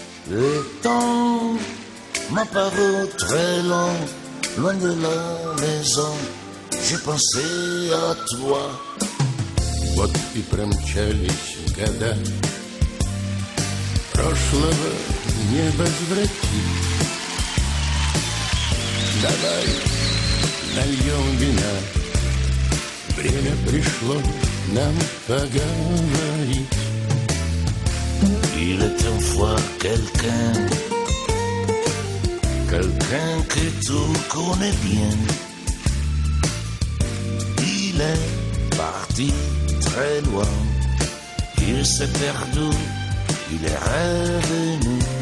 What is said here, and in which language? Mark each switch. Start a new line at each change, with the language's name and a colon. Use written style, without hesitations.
French: Le temps m'a paru très long, loin de la maison, j'ai pensé à toi.
Russian: Вот и промчались года, прошлого не возврати. Давай нальем вина, время пришло нам поговорить.
French: Il est un fois quelqu'un, quelqu'un que tu connais bien. Il est parti très loin, il s'est perdu, il est revenu.